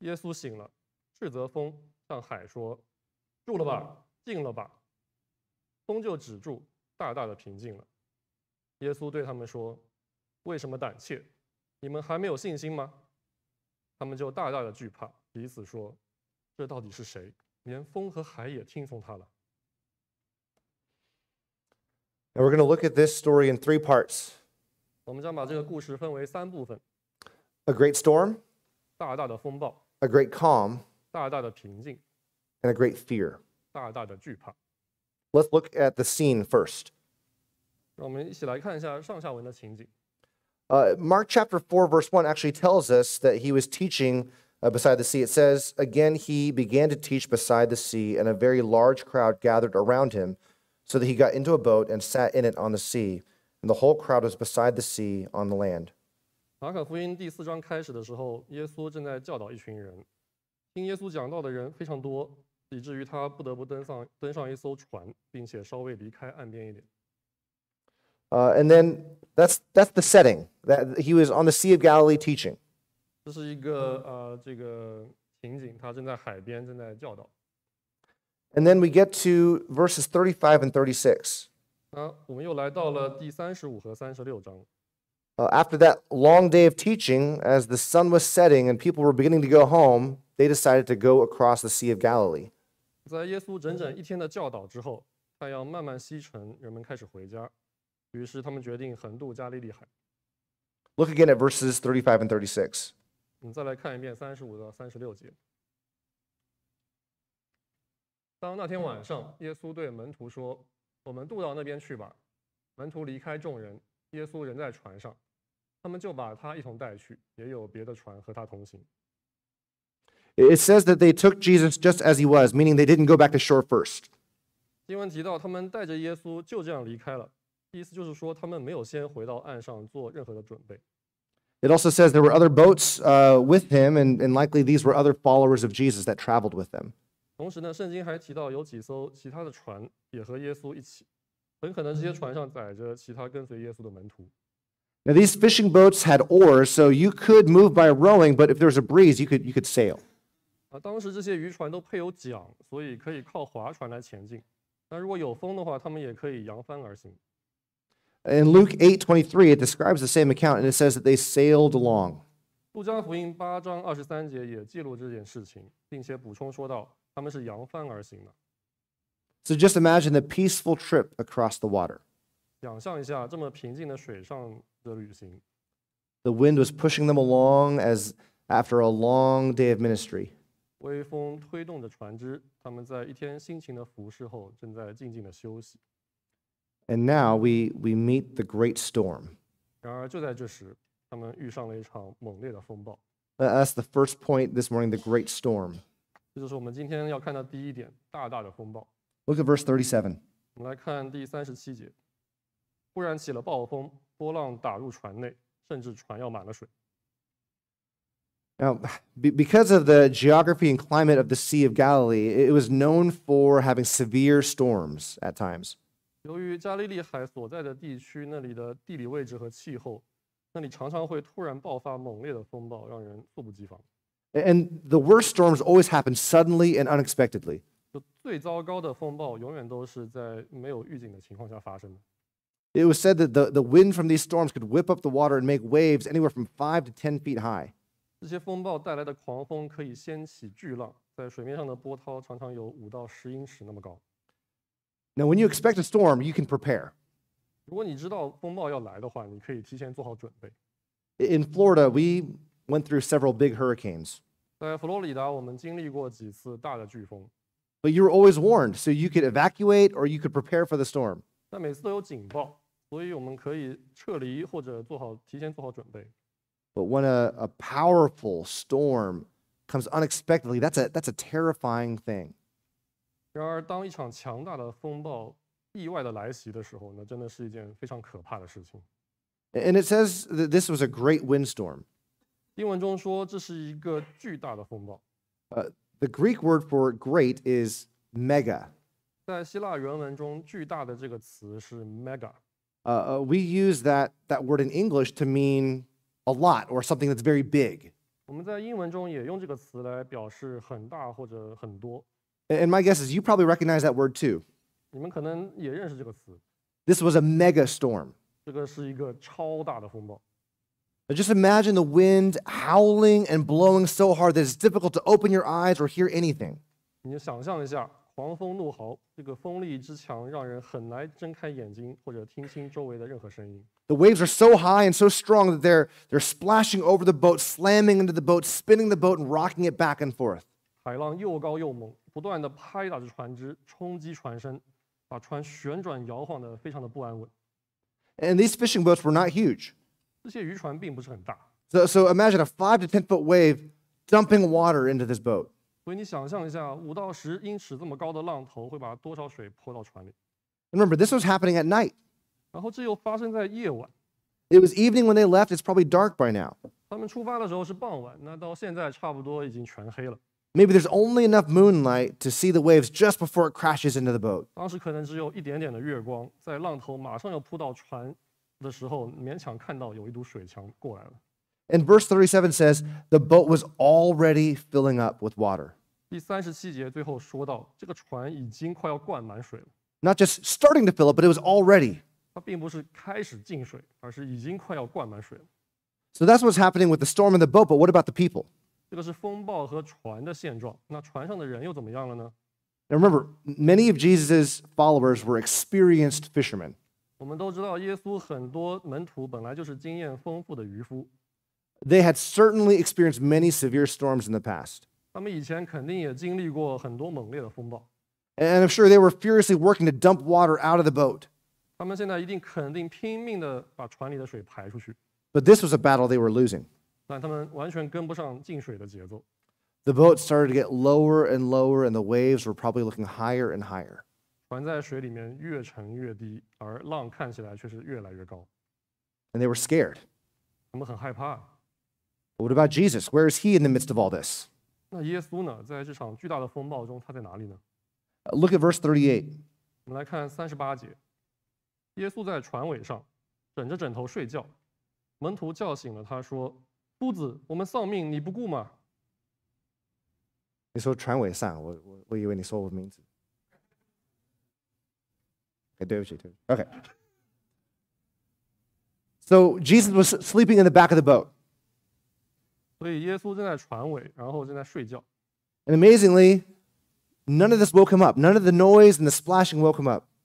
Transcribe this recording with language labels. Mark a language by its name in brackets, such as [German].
[Chinese] 耶稣醒了，斥责风，向海说：“住了吧，静了吧。” 风就止住，大大的平静了。耶稣对他们说：“为什么胆怯？你们还没有信心吗？” 他们就大大的惧怕，彼此说：“这到底是谁？连风和海也听从他了。” [English] Now we're going to look at this story in three parts. [Chinese] 我们将把这个故事分为三部分 [English] ：a great storm， [Chinese] 大大的风暴 [English] ；a great calm， [Chinese] 大大的平静 [English] ；and a great fear， [Chinese] 大大的惧怕。 [English] Let's look at the scene first。 [Chinese] 让我们一起来看一下上下文的情景。 [English] Mark chapter 4 verse 1 actually tells us that he was teaching beside the sea. It says, "Again, he began to teach beside the sea, and a very large crowd gathered around him, so that he got into a boat and sat in it on the sea." And the whole crowd was beside the sea on the land. [Chinese] 马可福音第四章开始的时候，耶稣正在教导一群人。听耶稣讲道的人非常多，以至于他不得不登上一艘船，并且稍微离开岸边一点。 [English] And then that's the setting that he was on the Sea of Galilee teaching. [Chinese] 这是一个这个情景，他正在海边正在教导。 [English] And then we get to verses 35 and 36. [Chinese] 我们又来到了第三十五和三十六章。 [English] After that long day of teaching, as the sun was setting and people were beginning to go home, they decided to go across the Sea of Galilee. [Chinese] 在耶稣整整一天的教导之后，太阳慢慢西沉，人们开始回家。于是他们决定横渡加利利海。 [English] Look again at verses 35 and 36. [Chinese] 我们再来看一遍三十五到三十六节。当那天晚上，耶稣对门徒说。我们渡到那边去吧。门徒离开众人，耶稣仍在船上，他们就把他一同带去，也有别的船和他同行。 [English] It says that they took Jesus just as he was, meaning they didn't go back to shore first. [Chinese] 经文提到他们带着耶稣就这样离开了，意思就是说他们没有先回到岸上做任何的准备。 [English] It also says there were other boats with him, and likely these were other followers of Jesus that traveled with them. [Chinese] 同时呢，圣经还提到有几艘其他的船也和耶稣一起，很可能这些船上载着其他跟随耶稣的门徒。 [English] Now these fishing boats had oars, so you could move by rowing, but if there was a breeze, you could sail. [Chinese] 当时这些渔船都配有桨，所以可以靠划船来前进。那如果有风的话，他们也可以扬帆而行。 [English] In Luke 8:23, it describes the same account, and it says that they sailed along. [Chinese] 路加福音八章二十三节也记录这件事情，并且补充说道。他们是扬帆而行的。 [English] So just imagine the peaceful trip across the water. [Chinese] 想象一下这么平静的水上的旅行。 [English] The wind was pushing them along as after a long day of ministry. [Chinese] 微风推动着船只，他们在一天辛勤的服侍后，正在静静的休息。 [English] And now we meet the great storm. [Chinese] 然而就在这时，他们遇上了一场猛烈的风暴。 [English] That's the first point this morning, the great storm. [Chinese] 这就是我们今天要看的第一点，大大的风暴。 [English] Look at verse 37. [Chinese] 我们来看第37节。忽然起了暴风，波浪打入船内，甚至船要满了水。 [English] Now, because of the geography and climate of the Sea of Galilee, it was known for having severe storms at times. [Chinese] 由于加利利海所在的地区，那里的地理位置和气候，那里常常会突然爆发猛烈的风暴，让人猝不及防。 [English] And the worst storms always happen suddenly and unexpectedly. [Chinese] 最糟糕的风暴永远都是在没有预警的情况下发生的。 [English] It was said that the wind from these storms could whip up the water and make waves anywhere from 5 to 10 feet high. [Chinese] 这些风暴带来的狂风可以掀起巨浪，在水面上的波涛常常有5到10英尺那么高。 [English] Now, when you expect a storm, you can prepare. [Chinese] 如果你知道风暴要来的话，你可以提前做好准备。 [English] In Florida, we went through several big hurricanes. [Chinese] 在佛罗里达，我们经历过几次大的飓风。 [English] But you were always warned, so you could evacuate or you could prepare for the storm. [Chinese] 但每次都有警报，所以我们可以撤离或者做好提前做好准备。 [English] But when a powerful storm comes unexpectedly, that's a terrifying thing. [Chinese] 然而，当一场强大的风暴意外的来袭的时候，那真的是一件非常可怕的事情。 [English] And it says that this was a great windstorm. [Chinese] 英文中说这是一个巨大的风暴。 [English] The Greek word for great is mega. [Chinese] 在希腊原文中，巨大的这个词是 mega。 [English] We use that word in English to mean a lot or something that's very big. [Chinese] 我们在英文中也用这个词来表示很大或者很多。 [English] And my guess is you probably recognize that word too. [Chinese] 你们可能也认识这个词。 [English] This was a mega storm. [Chinese] 这个是一个超大的风暴。 [English] But just imagine the wind howling and blowing so hard that it's difficult to open your eyes or hear anything. [Chinese] 你想象一下。狂风怒号，这个风力之强让人很难睁开眼睛或者听清周围的任何声音。 [English] The waves are so high and so strong that they're splashing over the boat, slamming into the boat, spinning the boat and rocking it back and forth. [Chinese] 海浪又高又猛，不断地拍打着船只，冲击船身，把船旋转摇晃得非常的不安稳。 [English] And these fishing boats were not huge. [Chinese] 这些渔船并不是很大。 [English] So imagine a 5 to 10 foot wave dumping water into this boat. [Chinese] 所以你想象一下，五到十英尺这么高的浪头会把多少水泼到船里 [English] ？Remember, this was happening at night. [Chinese] 然后这又发生在夜晚。 [English] It was evening when they left. It's probably dark by now. [Chinese] 他们出发的时候是傍晚，那到现在差不多已经全黑了。 [English] Maybe there's only enough moonlight to see the waves just before it crashes into the boat. [Chinese] 当时可能只有一点点的月光，在浪头马上要扑到船的时候，勉强看到有一堵水墙过来了。 [English] And verse 37 says, the boat was already filling up with water. [Chinese] 第37节最后说到，这个船已经快要灌满水了。 [English] Not just starting to fill up, but it was already. [Chinese] 它并不是开始进水，而是已经快要灌满水了。 [English] So that's what's happening with the storm and the boat, but what about the people? [Chinese] 这个是风暴和船的现状，那船上的人又怎么样了呢？ [English] Now remember, many of Jesus' followers were experienced fishermen. [Chinese] 我们都知道耶稣很多门徒本来就是经验丰富的渔夫。 [English] They had certainly experienced many severe storms in the past. [Chinese] 他们以前肯定也经历过很多猛烈的风暴。 [English] And I'm sure they were furiously working to dump water out of the boat. [Chinese] 他们现在一定肯定拼命地把船里的水排出去。 [English] But this was a battle they were losing. [Chinese] 但他们完全跟不上进水的节奏。 [English] The boat started to get lower and lower, and the waves were probably looking higher and higher. [Chinese] 船在水里面越沉越低，而浪看起来却是越来越高。 [English] And they were scared. [Chinese] 他们很害怕。 [English] What about Jesus? Where is he in the midst of all this? [Chinese] 那耶稣呢？在这场巨大的风暴中，他在哪里呢？ Look at verse 38. 我们来看38节。耶稣在船尾上，枕着枕头睡觉。门徒叫醒了他说，夫子，我们丧命，你不顾吗？你说船尾上，我以为你说我名字。 [English] Okay, [Chinese] 对不起。 [English] Okay. So Jesus was sleeping in the back of the boat. [Chinese] 所以耶稣正在船尾，然后正在睡觉。 [English] And amazingly, none of this woke him up. None of the noise and the splashing woke him up.